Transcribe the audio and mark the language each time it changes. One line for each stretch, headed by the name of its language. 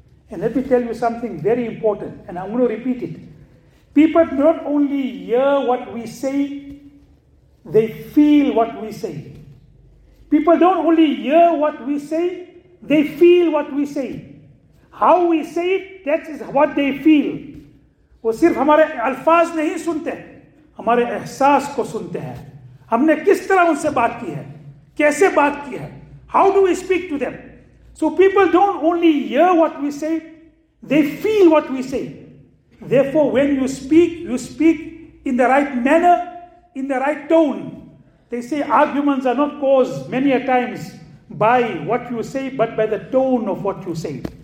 English: And let me tell you something very important, and I'm going to repeat it. People not only hear what we say, they feel what we say. People don't only hear what we say, they feel what we say. How we say it, that is what they feel.
Urdu: وہ صرف ہمارے الفاظ نہیں سنتے, ہمارے احساس کو سنتے ہیں. ہم نے کس طرح ان سے بات کی ہے, کیسے بات کی ہے.
English: How do we speak to them? So people don't only hear what we say, they feel what we say. Therefore, when you speak in the right manner, in the right tone. They say arguments are not caused many a times by what you say, but by the tone of what you say.